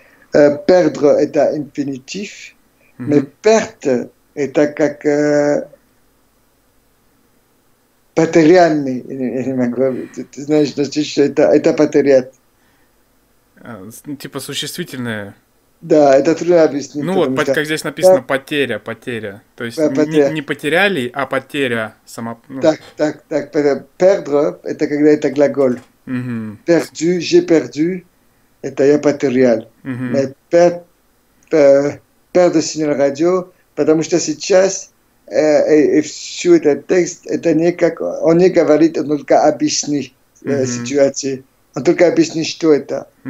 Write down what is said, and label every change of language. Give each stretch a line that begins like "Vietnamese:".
French: Perdre est un infinitif, mais perte est un
Russian: как потерянный, я не могу, ты знаешь, значит, что это потерять. Типа существительное. Да, это трудно объяснить. Ну вот, как здесь написано, потеря, потеря. То есть потеря. Не потеряли, а потеря сама. Ну. Так.
French: Perdre,
Russian: это когда это глагол.
French: Perdu, j'ai perdu,
Russian: это я потерял.
French: Perdre signal radio,
Russian: потому что сейчас и все этот текст, это не как, он не говорит, он только объяснит ситуацию. Он только объяснит, что это.